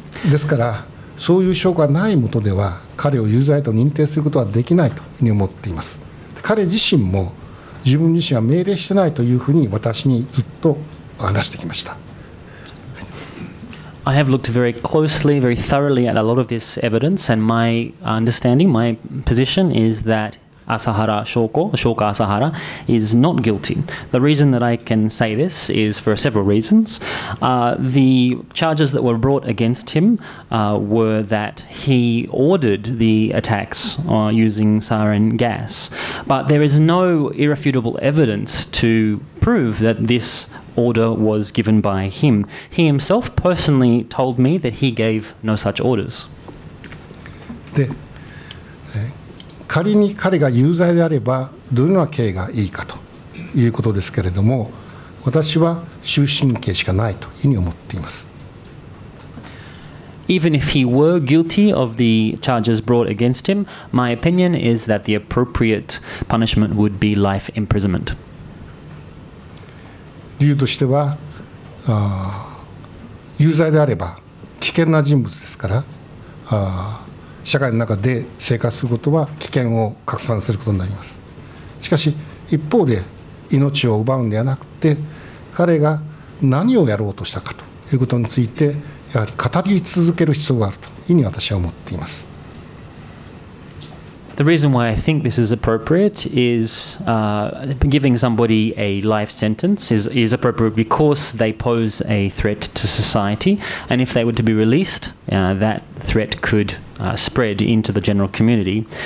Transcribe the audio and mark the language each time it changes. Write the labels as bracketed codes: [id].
[ja] ですからそういう証拠がないもとでは彼を有罪と認定することはできないというふうに思っています。彼自身も自分自身は命令してないというふうに私にずっと話してきました。 [en] I have looked very closely, very thoroughly at a lot of this evidence, and my understanding, my position is that Asahara Shoko, Shoka Asahara, is not guilty. The reason that I can say this is for several reasons. The charges that were brought against him were that he ordered the attacks using sarin gas, but there is no irrefutable evidence to prove that this order was given by him. He himself personally told me that he gave no such orders. [ja] で、仮に彼が有罪であればどのような刑がいいかということですけれども、私は終身刑しかないというふうに思っています。 [en] Even if he were guilty of the charges brought against him, my opinion is that the appropriate punishment would be life imprisonment. [ja] 理由としては有罪であれば危険な人物ですから、社会の中で生活することは危険を拡散することになります。しかし一方で命を奪うんではなくて、彼が何をやろうとしたかということについてやはり語り続ける必要があるというふうに私は思っています。 [en] The reason why I think this is appropriate is giving somebody a life sentence is appropriate because they pose a threat to society, and if they were to be released, that threat couldspread into the general community.